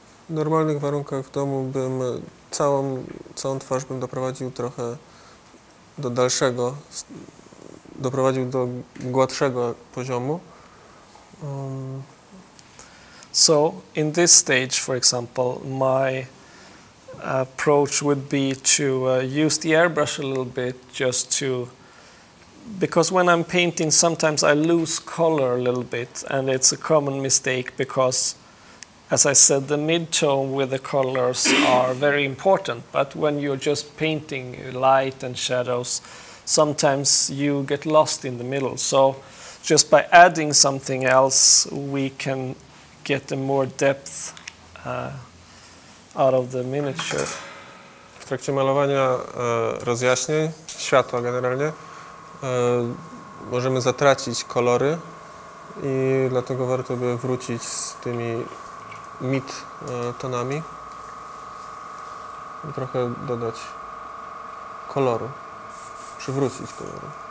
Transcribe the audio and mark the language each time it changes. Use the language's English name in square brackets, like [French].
[Polish] W normalnych warunkach w domu bym całą twarz bym doprowadził trochę do dalszego, doprowadził do gładszego poziomu. [English] So in this stage, for example, my approach would be to use the airbrush a little bit just to, because when I'm painting, sometimes I lose color a little bit, and it's a common mistake because, as I said, the mid-tone with the colors are very important, but when you're just painting light and shadows, sometimes you get lost in the middle. So just by adding something else, we can get the more depth out of the miniature. [Polish] W trakcie malowania rozjaśnień, światła generalnie, możemy zatracić kolory i dlatego warto by wrócić z tymi mid tonami i trochę dodać koloru, przywrócić koloru.